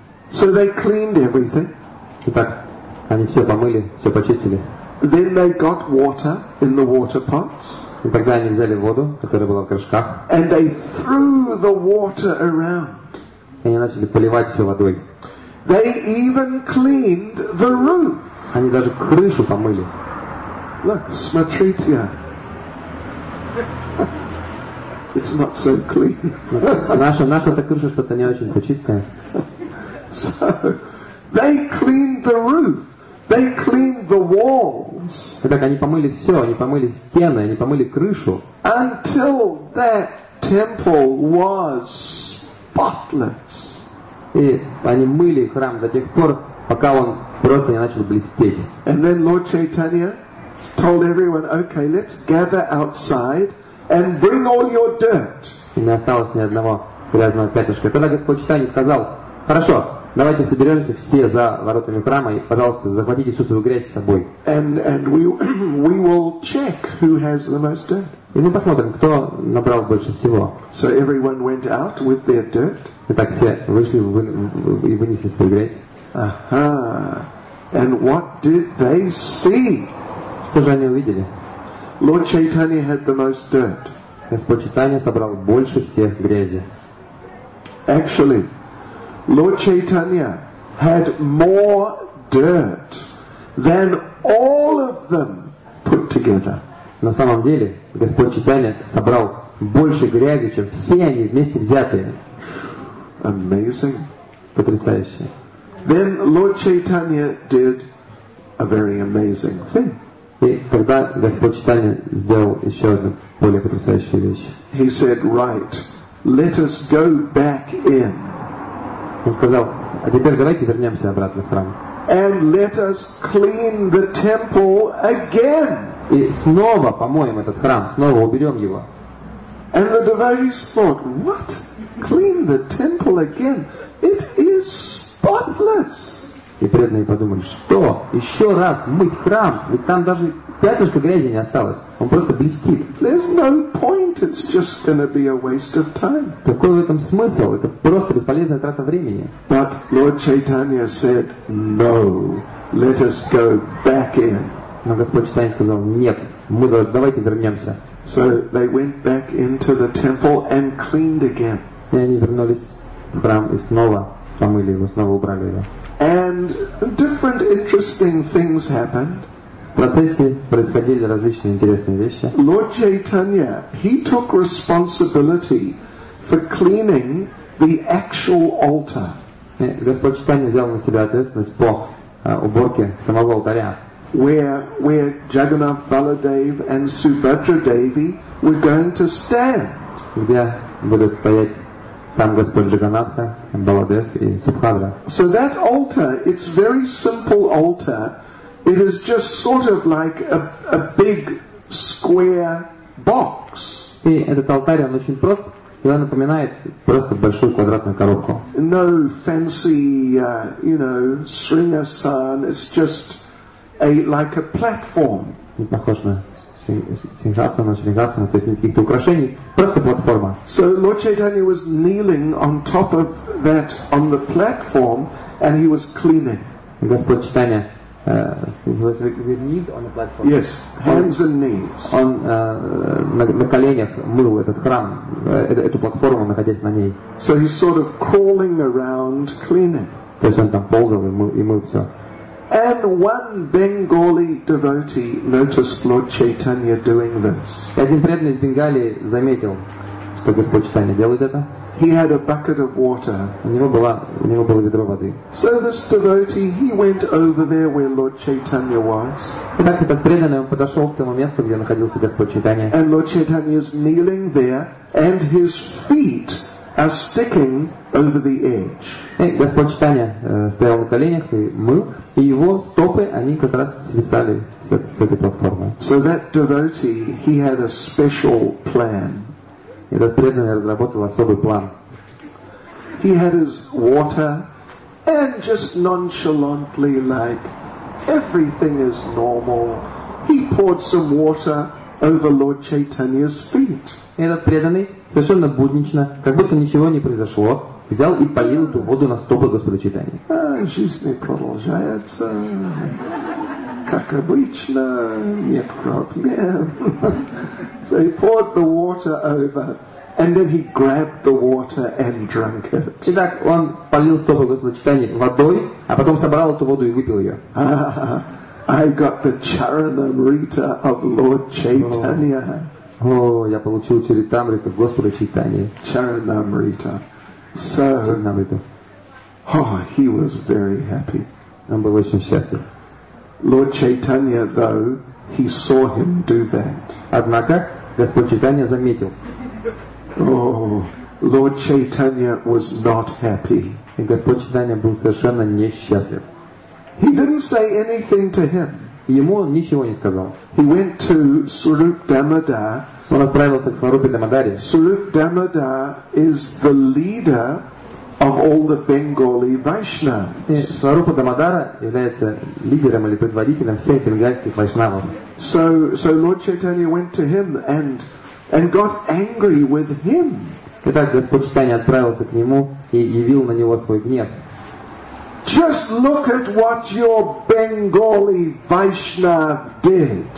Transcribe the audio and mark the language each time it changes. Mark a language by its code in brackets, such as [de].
[en] So they cleaned everything. [ru] Итак, они все помыли, все почистили. [en] Then they got water in the water pots. [ru] И тогда они взяли воду, которая была в горшках. [en] And they threw the water around. [ru] И они начали поливать все водой. [en] They even cleaned the roof. [ru] Они даже крышу помыли. [en] Look, Smatritya. It's not so clean. [ru] Наша-то крыша что-то не очень почистая. [en] So, they cleaned the roof. They cleaned the walls. [ru] Итак, они помыли все, они помыли стены, они помыли крышу. [en] Until that temple was spotless. [ru] И они мыли храм до тех пор, пока он просто не начал блестеть. [en] And then Lord Chaitanya told everyone, "Okay, let's gather outside and bring all your dirt." [ru] И не осталось ни одного грязного пятнышка. Тогда Господь Чайтанья сказал: "Хорошо. Давайте соберемся все за воротами храма и, пожалуйста, захватите всю свою грязь с собой. [en] And we will check who has the most dirt. [ru] И мы посмотрим, кто набрал больше всего." [en] So everyone went out with their dirt. [ru] Итак, все вышли и вынесли свою грязь. [en] Aha. And what did they see? [ru] Что же они увидели? [en] Lord Chaitanya had the most dirt. [ru] Господь Чайтанья собрал больше всех грязи. [en] Actually, Lord Chaitanya had more dirt than all of them put together. [ru] На самом деле, Господь Чайтанья собрал больше грязи, чем все они вместе взятые. [en] Amazing. [ru] Потрясающе. [en] Then Lord Chaitanya did a very amazing thing. [ru] И тогда Господь Чайтанья сделал еще одну более потрясающую вещь. [en] He said, "Right, let us go back in." [ru] Он сказал: "А теперь давайте вернемся обратно в храм." [en] And let us clean the temple again. [ru] И снова помоем этот храм, снова уберем его. [en] And the devotees thought, "What? Clean the temple again? It is spotless." [ru] И преданные подумали: "Что? Еще раз мыть храм? Ведь там даже пятнышка грязи не осталось. Он просто блестит." [en] There's no point. It's just gonna be a waste of time. [ru] Какой в этом смысл? Это просто бесполезная трата времени. [en] But Lord Chaitanya said, "No, let us go back in." [ru] Но Господь Чайтанья сказал: "Нет, мы давайте вернемся." [en] So they went back into the temple and cleaned again. [ru] И они вернулись в храм и снова помыли его, снова убрали его. [en] And different interesting things happened. [ru] В процессе происходили различные интересные вещи. [en] Lord Chaitanya, he took responsibility for cleaning the actual altar. [ru] Господь Чайтанья взял на себя ответственность по уборке самого алтаря. [en] Where Jagannath Baladev and Subhadra Devi were going to stand. [ru] где будут стоять сам Господь Джаганнатха, Баладев и Субхадра. [en] So that altar, it's very simple altar. It is just sort of like a big square box. [ru] И этот алтарь, он очень прост. И он напоминает просто большую квадратную коробку. [en] No fancy, you know, Sringasan. It's just a like a platform. [ru] Не похож на Сингхасана, Шрингасана, то есть никаких украшений, просто платформа. [en] So Lord Chaitanya was kneeling on top of that on the platform, and he was cleaning. Господь Читания was with knees on the platform. Yes, hands and knees. [ru] Он на коленях мыл этот храм, эту платформу, находясь на ней. [en] So he's sort of crawling around cleaning. [ru] То есть он там ползал и мыл все. [en] And one Bengali devotee noticed Lord Chaitanya doing this. [ru] Один преданный из Бенгалии заметил, что Господь Читания делает это. [en] He had a bucket of water. [ru] У него было ведро воды. [en] So this devotee, he went over there where Lord Chaitanya was. [ru] Итак, этот преданный, он подошел к тому месту, где находился Господь Читания. [en] And Lord Chaitanya is kneeling there, and his feet are sticking over the edge. [ru] И Господь Читания стоял на коленях и мыл, и его стопы, они как раз свисали с этой платформы. [en] So that devotee, he had a special plan. [ru] Этот преданный разработал особый план. [en] He had his water, and just nonchalantly, like everything is normal, he poured some water over Lord Chaitanya's feet. [ru] Этот преданный совершенно буднично, как будто ничего не произошло, взял и полил эту воду на стопы Господа Читания. Жизнь продолжается, как обычно, нет проблем. [en] So he poured the water over. And then he grabbed the water and drank it. [ru] Итак, он полил стопы Господа Читания водой, а потом собрал эту воду и выпил ее. [en] I got the Charanamrita of Lord Chaitanya. [ru] О, я получил Чаритамриту Господа Читания. Чаранамрита. Чаранамрита. [en] Oh, he was very happy. [ru] Он был очень счастлив. [en] Lord Chaitanya, though, he saw him do that. [ru] Однако, Господь Читания заметил. [en] Oh, Lord Chaitanya was not happy. [ru] И Господь Читания был совершенно несчастлив. [en] He didn't say anything to him. [ru] Ему он ничего не сказал. [en] He went to Surup Damodar. [ru] Он отправился к Сварупе Дамодаре. [en] Surup Damodar is the leader of all the Bengali Vaishnavas. [ru] Сварупа Дамодара является лидером или предводителем всех бенгальских вайшнавов. [en] So Lord Chaitanya went to him and got angry with him. [ru] Итак, Господь Читания отправился к нему и явил на него свой гнев. [en] Just look at what your Bengali Vaishnav did.